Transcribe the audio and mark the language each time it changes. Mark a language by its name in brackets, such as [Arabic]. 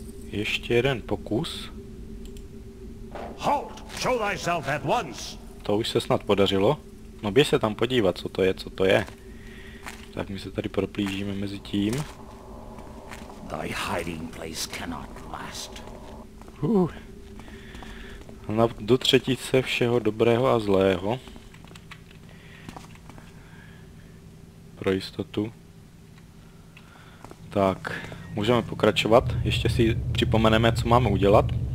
[Czech] Ještě jeden pokus. [English] Halt! Show thyself at once! [Czech] To už se snad podařilo. No běž se tam podívat, co to je, co to je. Tak my se tady proplížíme mezi tím. [English] Thy hiding place cannot last. [Czech] No, do třetice všeho dobrého a zlého. Pro jistotu. Tak, můžeme pokračovat. Ještě si připomeneme, co máme udělat.